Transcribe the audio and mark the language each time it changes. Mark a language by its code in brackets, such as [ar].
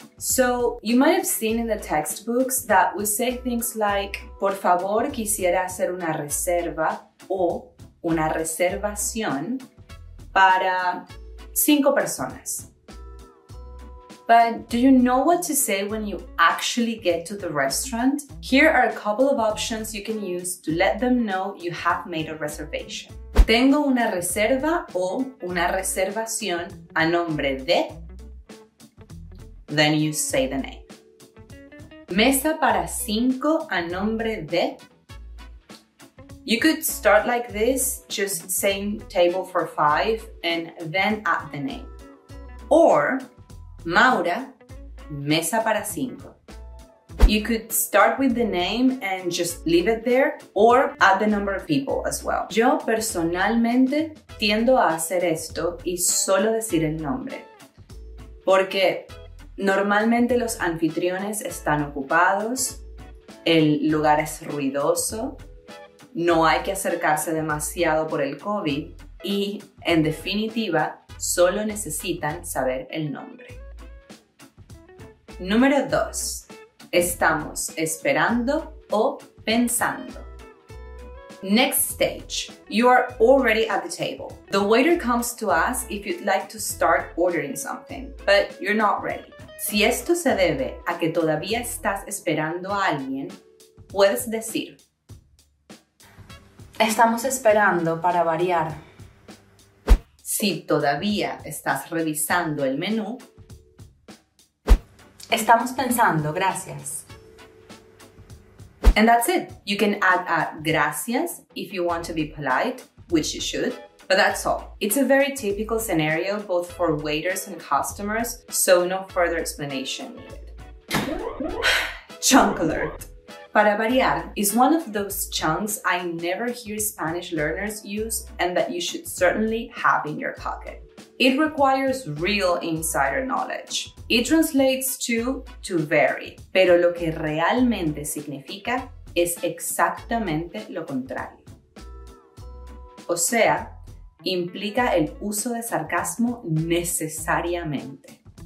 [en] So you might have seen in the textbooks that we say things like, [es] por favor, quisiera hacer una reserva o una reservación para cinco personas. [en] But do you know what to say when you actually get to the restaurant? Here are a couple of options you can use to let them know you have made a reservation. [es] Tengo una reserva o una reservación a nombre de. [en] Then you say the name. [es] Mesa para cinco a nombre de. [en] You could start like this, just saying table for five and then add the name. [es] Or Maura, mesa para cinco. [en] You could start with the name and just leave it there or add the number of people as well. [es] Yo personalmente tiendo a hacer esto y solo decir el nombre. Porque normalmente los anfitriones están ocupados, el lugar es ruidoso, no hay que acercarse demasiado por el COVID y, en definitiva, solo necesitan saber el nombre. Número 2. Estamos esperando o pensando. [en] Next stage. You are already at the table. The waiter comes to ask if you'd like to start ordering something, but you're not ready. [es] Si esto se debe a que todavía estás esperando a alguien, puedes decir: estamos esperando para variar. Si todavía estás revisando el menú, estamos pensando, gracias. [en] And that's it. You can add a gracias if you want to be polite, which you should, but that's all. It's a very typical scenario both for waiters and customers, so no further explanation needed. Chunk alert. Para variar is one of those chunks I never hear Spanish learners use and that you should certainly have in your pocket. It requires real insider knowledge. It translates to vary, [es] pero lo que realmente significa es exactamente lo contrario. O sea, implica el uso de sarcasmo necesariamente.